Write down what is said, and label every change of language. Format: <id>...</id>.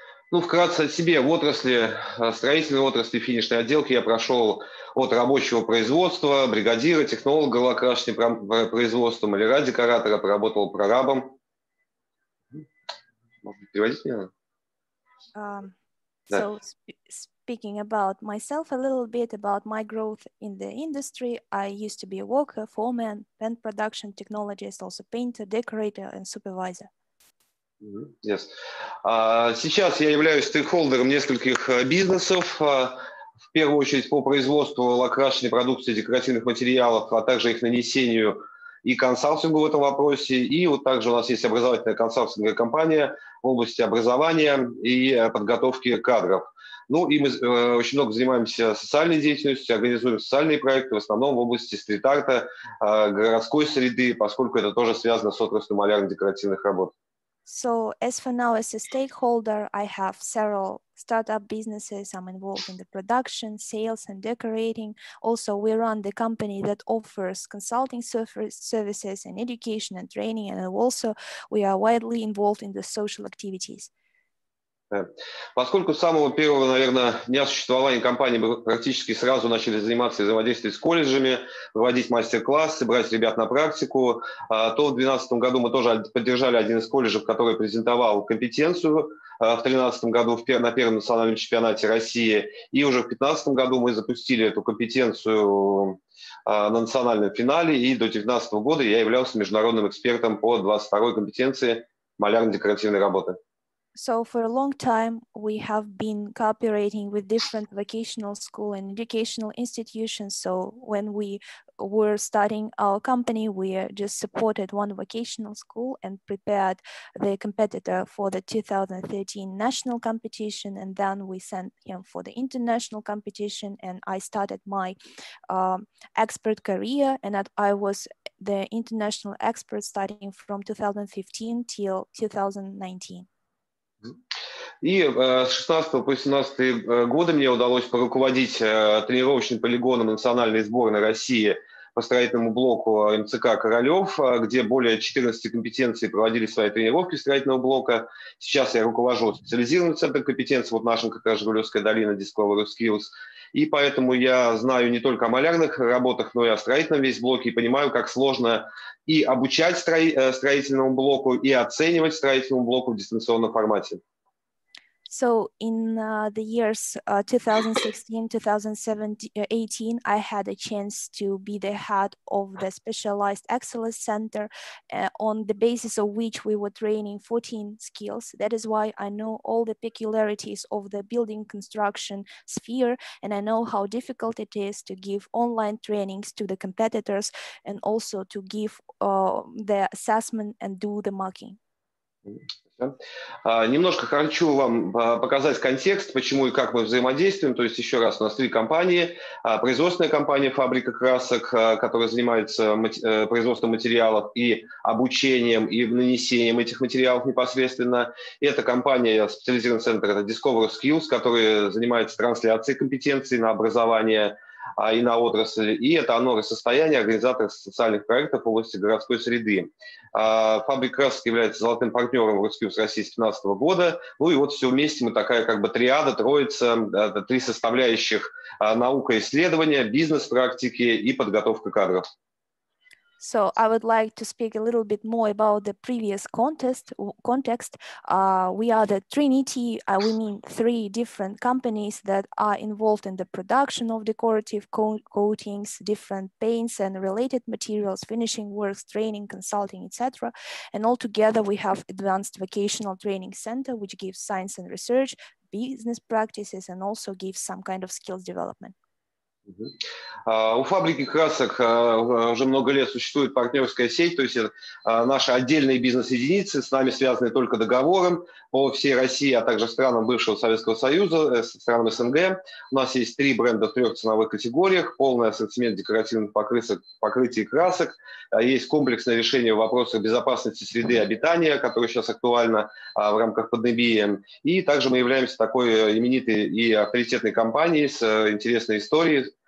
<ru>Ну, вкратце о себе. В отрасли, строительной отрасли финишной отделки я прошел от рабочего производства, бригадира, технолога лакокрасочного производства, маляра, декоратора, поработал прорабом. Переводить мне? Да.</ru> <en>So, speaking about myself a little bit, about my growth in the industry, I used to be a worker, foreman, paint production technologist, also painter, decorator and supervisor. Yes.</en> <ru>Сейчас я являюсь стейкхолдером нескольких бизнесов, в первую очередь по производству лакокрасочной продукции декоративных материалов, а также их нанесению и консалтингу в этом вопросе. И вот также у нас есть образовательная консалтинговая компания в области образования и подготовки кадров. Ну и мы очень много занимаемся социальной деятельностью, организуем социальные проекты, в основном в области стрит-арта, городской среды, поскольку это тоже связано с отраслью малярно-декоративных работ.</ru> <en>So, as for now, as a stakeholder, I have several startup businesses. I'm involved in the production, sales, and decorating. Also, we run the company that offers consulting services and education and training. And also, we are widely involved in the social activities.</en> <ru>Поскольку с самого первого, наверное, дня существования компании мы практически сразу начали заниматься и взаимодействовать с колледжами, проводить мастер-классы, брать ребят на практику, то в 2012 году мы тоже поддержали один из колледжей, который презентовал компетенцию в 2013 году на первом национальном чемпионате России. И уже в 2015 году мы запустили эту компетенцию на национальном финале. И до 2019 года я являлся международным экспертом по 22-й компетенции малярно-декоративной работы.</ru> <en>So for a long time, we have been cooperating with different vocational school and educational institutions. So when we were starting our company, we just supported one vocational school and prepared the competitor for the 2013 national competition. And then we sent him for the international competition. And I started my expert career, and that I was the international expert starting from 2015 till 2019.</en> <ru>И с 16 по 17 годы мне удалось поруководить тренировочным полигоном национальной сборной России по строительному блоку МЦК «Королёв», где более 14 компетенций проводили свои тренировки строительного блока. Сейчас я руковожу специализированным центром компетенций, вот нашим, как раз, Жигулевская долина, Discovery Skills. И поэтому я знаю не только о малярных работах, но и о строительном весь блоке, и понимаю, как сложно и обучать строительному блоку, и оценивать строительному блоку в дистанционном формате.</ru> <en>So in the years 2016-2017-18, I had a chance to be the head of the Specialized Excellence Center, on the basis of which we were training 14 skills. That is why I know all the peculiarities of the building construction sphere, and I know how difficult it is to give online trainings to the competitors and also to give the assessment and do the marking.</en> <ru>Немножко хочу вам показать контекст, почему и как мы взаимодействуем. То есть еще раз, у нас три компании. Производственная компания «Фабрика красок», которая занимается производством материалов и обучением, и нанесением этих материалов непосредственно. Это компания, специализированный центр, это Discovery Skills, который занимается трансляцией компетенций на образование и на отрасли. И это «Анор и состояние», организатор социальных проектов в области городской среды. «Фабрик красок» является золотым партнером в Русскую с России с 2015 года. Ну и вот все вместе мы такая как бы триада, троица, три составляющих: наука, исследования, бизнес-практики и подготовка кадров.</ru> <en>So I would like to speak a little bit more about the previous context. We are the Trinity. We mean three different companies that are involved in the production of decorative coatings, different paints and related materials, finishing works, training, consulting, etc. And all together we have Advanced Vocational Training Center, which gives science and research, business practices, and also gives some kind of skills development. Mm-hmm.</en> <ru>У фабрики красок уже много лет существует партнерская сеть, то есть наши отдельные бизнес-единицы с нами связаны только договором по всей России, а также странам бывшего Советского Союза, странам СНГ. У нас есть три бренда в трех ценовых категориях, полный ассортимент декоративных покрытий и красок, есть комплексное решение в вопросах безопасности среды обитания, которое сейчас актуально в рамках пандемии, и также мы являемся такой именитой и авторитетной компанией с интересной историей.</ru>